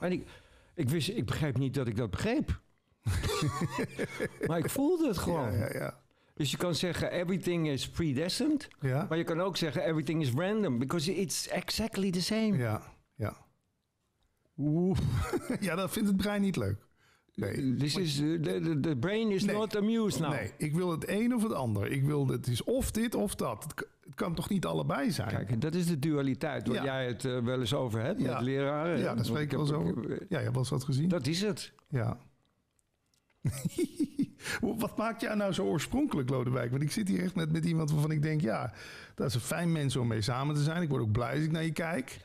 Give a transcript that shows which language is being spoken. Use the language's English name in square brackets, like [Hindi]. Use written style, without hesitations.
[Dutch] En ik begreep niet dat ik dat begreep. Maar ik voelde het gewoon. Ja. Dus je kan zeggen, [English] everything is predestined. [Dutch] Ja. Maar je kan ook zeggen, [English] everything is random. Because it's exactly the same. [Dutch] Ja, ja. Oeh. Ja, dat vindt het brein niet leuk. Nee. [English] This is, the brain is not amused now. [Dutch] Nee, ik wil het een of het ander. Ik wil, het is of dit of dat. Het kan toch niet allebei zijn? Kijk, dat is de dualiteit waar jij het wel eens over hebt met leraren. Ja, daar spreek ik wel eens over. Ja, je hebt wel eens wat gezien. Dat is het. Ja. Wat maakt jou nou zo oorspronkelijk, Lodewijk? Want ik zit hier echt met iemand waarvan ik denk, ja, dat is een fijn mens om mee samen te zijn. Ik word ook blij als ik naar je kijk.